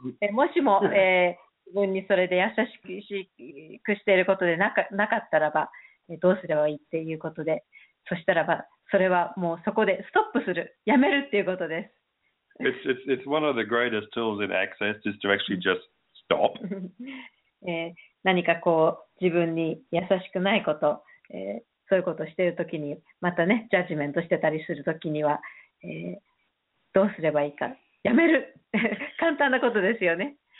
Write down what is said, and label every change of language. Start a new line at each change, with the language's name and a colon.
Japanese: もしも、自分にそれで優しくしていることでなかったらば、どうすればいいっていうことで、そしたらば、それはもうそこでストップする、やめるっていうことです。
English: It's one of the greatest tools in access is to actually just stop.
Japanese: 何かこう、自分に優しくないこと、そういうことをしているときに、またね、ジャッジメントしてたりするときには、どうすればいいか、やめる簡単なことですよね。